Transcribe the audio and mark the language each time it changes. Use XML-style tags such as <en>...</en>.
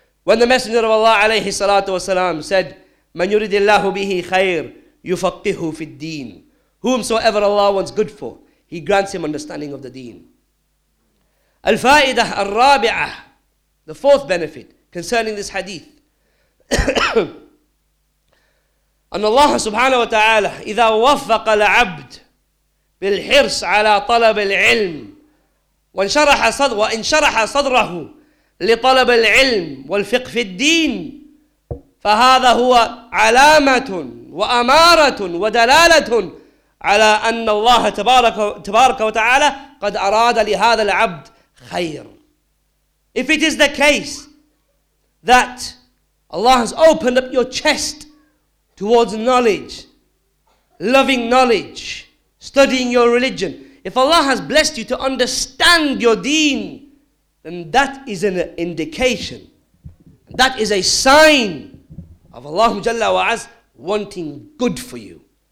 <en>When the Messenger of Allah alayhi salatu wasalam said,</en> <ar>"Man yuridillahu bihi khair yufaqihu fi al-deen,"</ar> <en>whomsoever Allah wants good for, He grants him understanding of the deen. Al-fa'idah al-rabi'ah, the fourth benefit concerning this hadith.</en> <ar>أن الله سبحانه وتعالى إذا وفق العبد بالحرص على طلب العلم وإن شرح صدره لطلب العلم والفقه في الدين فهذا هو علامة وأمارة ودلالة على أن الله تبارك وتعالى قد أراد لهذا العبد خير.</ar> <en>If it is the case that Allah has opened up your chest towards knowledge, loving knowledge, studying your religion, if Allah has blessed you to understand your deen, then that is an indication, that is a sign of Allah Jalla wa Az wanting good for you.</en>